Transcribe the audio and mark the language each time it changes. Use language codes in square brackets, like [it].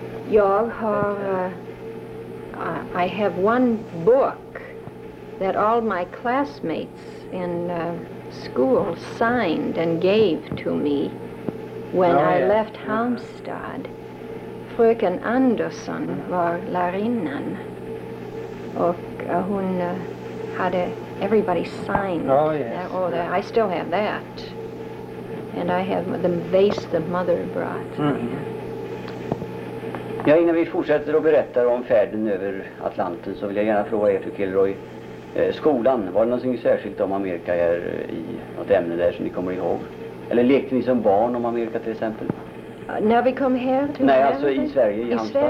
[sv] Jag har, [en] I have one book that all my classmates in school signed and gave to me when I left Halmstad. [sv] Fröken Andersson var lärinnan och hon hade [en] everybody signed. Oh, I still have that. And I have the vase the mother brought. Mm. [sv] Ja, innan vi fortsätter och berättar om färden över Atlanten så vill jag gärna fråga er, fru Kilroy, skolan, var det någonting särskilt om Amerika är i något ämne där som ni kommer ihåg? Eller lekte ni som barn om Amerika till exempel? När vi kom här till Sverige? Nej, alltså i Sverige, i Halmstad.